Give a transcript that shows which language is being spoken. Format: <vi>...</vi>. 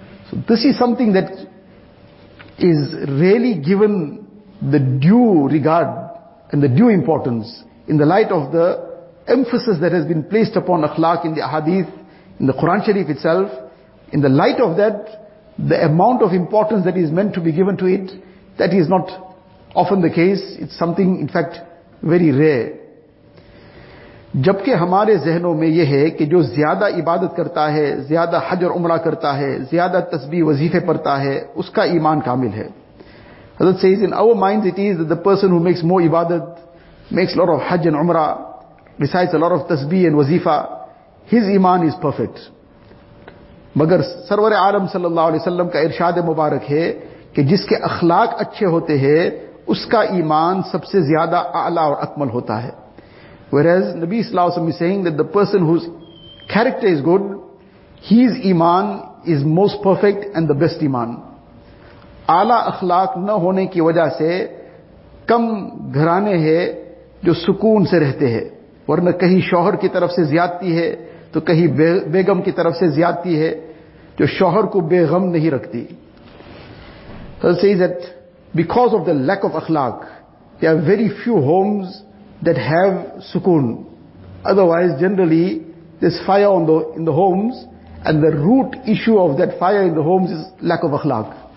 <en>So this is something that is really given the due regard and the due importance in the light of the emphasis that has been placed upon akhlaq in the ahadith, in the Quran Sharif itself. In the light of that, the amount of importance that is meant to be given to it, that is not often the case. It's something, in fact, very rare.</en> <ur>جبکہ ہمارے ذہنوں میں یہ ہے کہ جو زیادہ عبادت کرتا ہے، زیادہ حج اور عمرہ کرتا ہے، زیادہ تسبیح وظیفے پڑھتا ہے، اس کا ایمان کامل ہے.</ur> <en>حضرت says in our minds it is that the person who makes more عبادت، makes a lot of حج and عمرہ، recites a lot of تسبیح and وظیفہ، his ایمان is perfect.</en> <ur>مگر سرور عالم صلی اللہ علیہ وسلم کا ارشاد مبارک ہے کہ جس کے اخلاق اچھے ہوتے ہیں اس کا ایمان سب سے زیادہ اعلیٰ اور اکمل ہوتا ہے.</ur> <en>Whereas Nabi صلی اللہ علیہ وسلم is saying that the person whose character is good, his ایمان is most perfect and the best ایمان.</en> <ur>اعلیٰ اخلاق نہ ہونے کی وجہ سے کم گھرانے ہیں جو سکون سے رہتے ہیں، ورنہ کہیں شوہر کی طرف سے زیادتی ہے تو کہیں بیگم کی طرف سے زیادتی ہے جو شوہر کو بے غم نہیں رکھتی.</ur> <en>Hazrat says that because of the lack of akhlaq, there are very few homes that have sukoon. Otherwise, generally, there's fire in the homes, and the root issue of that fire in the homes is lack of akhlaq.</en>